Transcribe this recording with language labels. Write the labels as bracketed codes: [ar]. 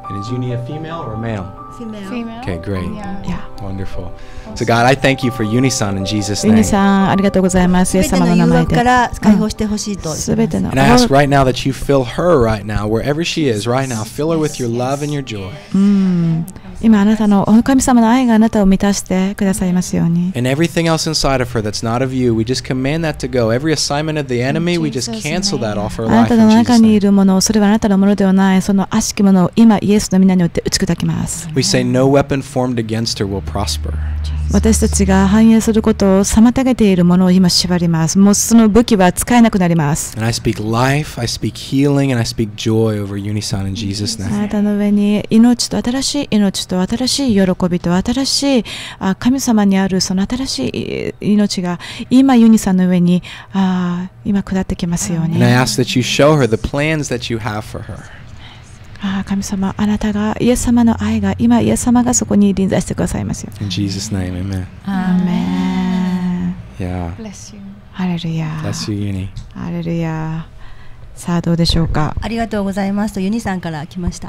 [en] And is Uni a female or a male? Female. Female. Okay, great. Yeah. Wonderful. So God, I thank you for Uni-san in Jesus' name. [ja] Uni-san, ありがとうございます。イエス様の名前で。 [en] And I ask right now that you fill her right now, wherever she is right now, fill her with your love and your joy. [ja] 今あなたの神様の愛があなたを満たしてくださいますように。 [en] And everything else inside of her that's not of you, we just command that to go. Every assignment of the enemy, we just cancel that off her life. [ja] あなたの中にいるもの、それはあなたのものではない。その悪しきものを今イエスの名によって打ち砕きます。 [en] We say no weapon formed against her will prosper. [ja] 私たちが反映することを妨げているものを今縛ります。もうその武器は使えなくなります。 [en] And I speak life, I speak healing, and I speak joy over Uni-san in Jesus' name. [ja] あなたの上に命と新しい命と新しい喜びと新しい神様にあるその新しい命が今ユニさんの上に今下ってきますように。 [en] And I ask that you show her the plans that you have for her. [ja] 神様、あなたがイエス様の愛が今イエス様がそこに臨在してくださいますように。 [en] In Jesus' name, amen. Amen. Yeah. Bless you. Hallelujah. Bless you, Uni. [ja] Hallelujah. さあどうでしょうか。ありがとうございますとユニさんから来ました。